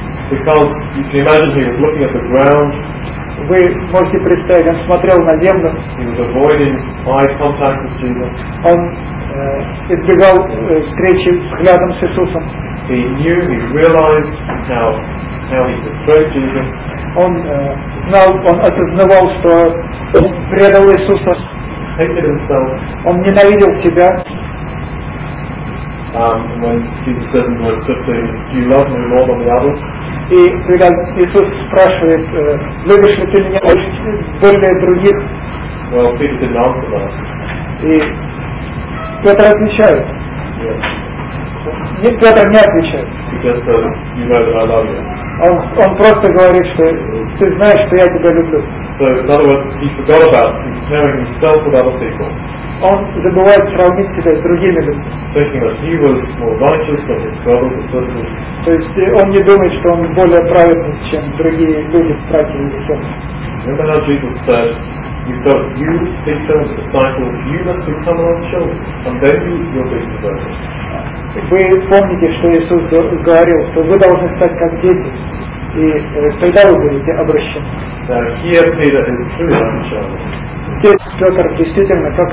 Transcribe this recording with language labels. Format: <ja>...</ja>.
<en>Because you can imagine he was looking at the ground.</en> <ru>Вы можете представить, он смотрел на землю.</ru> <en>He was avoiding eye contact with Jesus.</en> <ru>Он избегал встречи взглядом с Иисусом.</ru> <en>He knew, he realized how he betrayed Jesus.</en> <ru>Он знал, он осознавал, что он предал Иисуса.</ru> <en>Hated himself.</en> <ru>Он ненавидел себя.</ru> <en>When Jesus said in verse 15, "Do you love me more than the others?"</en> <ru>И когда Иисус спрашивает, любишь ли ты меня более других?</ru> <en>Well, Peter didn't answer that.</en> <ru>И Петр отвечает.</ru> <en>Yes.</en> <ru>Петр не отвечает.</ru> <en>He just says, "You know that I love you."</en> <ru>Он просто говорит, что ты знаешь, что я тебя люблю.</ru> <en>So in other words, he forgot about comparing himself with other people.</en> <ru>Он забывает сравнить себя с другими людьми.</ru> <en>Thinking that he was more righteous than his brothers and sisters.</en> <ru>То есть он не думает, что он более праведный, чем другие люди в страхе или сестры.</ru> <en>Remember how Jesus said, you've got you, Peter, the disciples, you must become our children, and then you'll be converted.</en> <ru>Вы помните, что Иисус говорил, что вы должны стать как дети. и когда вы будете обращены. Здесь Петр действительно как</ru>